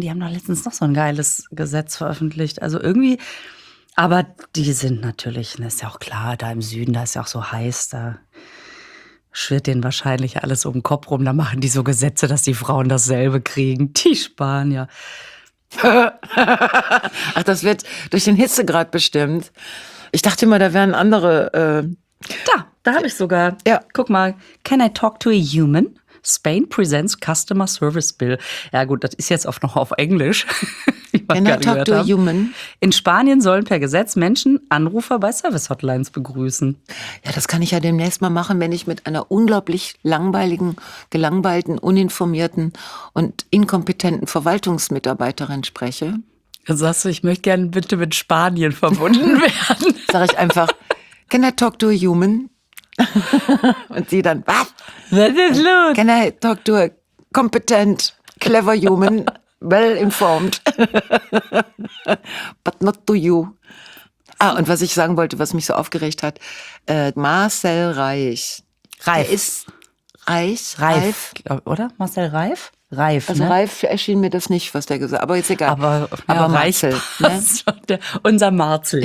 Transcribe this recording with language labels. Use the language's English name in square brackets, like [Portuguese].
[German] Die haben doch letztens noch so ein geiles Gesetz veröffentlicht. Also irgendwie, aber die sind natürlich, das ist ja auch klar, da im Süden, da ist ja auch so heiß, da schwirrt denen wahrscheinlich alles um den Kopf rum. Da machen die so Gesetze, dass die Frauen dasselbe kriegen. Die Spanier. Ach, das wird durch den Hitzegrad bestimmt. Ich dachte immer, da wären andere. Da habe ich sogar. Ja. Guck mal, [English] can I talk to a human? Spain presents Customer Service Bill. [German] Ja gut, das ist jetzt oft noch auf Englisch. [English] Can I talk to a human? [German] In Spanien sollen per Gesetz Menschen Anrufer bei Service-Hotlines begrüßen. Ja, das kann ich ja demnächst mal machen, wenn ich mit einer unglaublich langweiligen, gelangweilten, uninformierten und inkompetenten Verwaltungsmitarbeiterin spreche. Dann sagst du, ich möchte gerne bitte mit Spanien verbunden werden. Sag ich einfach, [English] can I talk to a human? [German] Und sie dann, was ist los? [English] Can I talk to a competent, clever human, well informed, but not to you. [German] Ah, und was ich sagen wollte, was mich so aufgeregt hat, Marcel Reich. Reif. Der ist Reich? Reif. Reif. Oder? Marcel Reif? Reif, also ne? Reif erschien mir das nicht, was der gesagt hat, aber ist egal. Aber ja, Marcel. Ne? Unser Marcel.